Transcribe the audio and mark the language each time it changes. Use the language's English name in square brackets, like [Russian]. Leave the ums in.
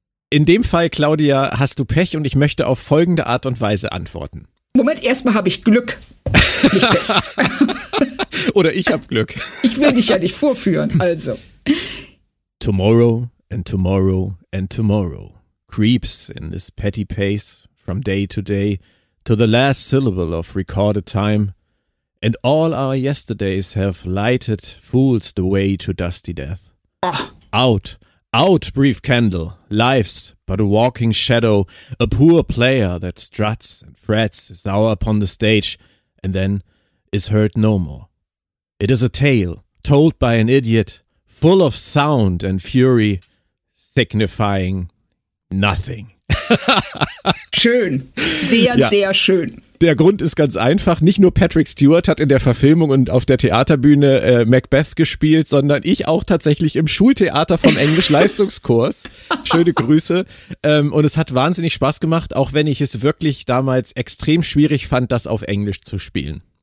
[German] In dem Fall, Claudia, hast du Pech und ich möchte auf folgende Art und Weise antworten. Moment, erstmal habe ich Glück. Oder ich habe Glück. Ich will dich ja nicht vorführen. Also, [English] Tomorrow and tomorrow and tomorrow creeps in this petty pace from day to day to the last syllable of recorded time, and all our yesterdays have lighted fools the way to dusty death. Out, out, brief candle, life's but a walking shadow, a poor player that struts and frets his hour upon the stage, and then is heard no more. It is a tale told by an idiot, full of sound and fury, signifying nothing. [German] schön. Sehr, Ja. sehr schön. Der Grund ist ganz einfach. Nicht nur Patrick Stewart hat in der Verfilmung und auf der Theaterbühne äh, Macbeth gespielt, sondern ich auch tatsächlich im Schultheater vom Englisch-Leistungskurs. Schöne Grüße. Ähm, und es hat wahnsinnig Spaß gemacht, auch wenn ich es wirklich damals extrem schwierig fand, das auf Englisch zu spielen.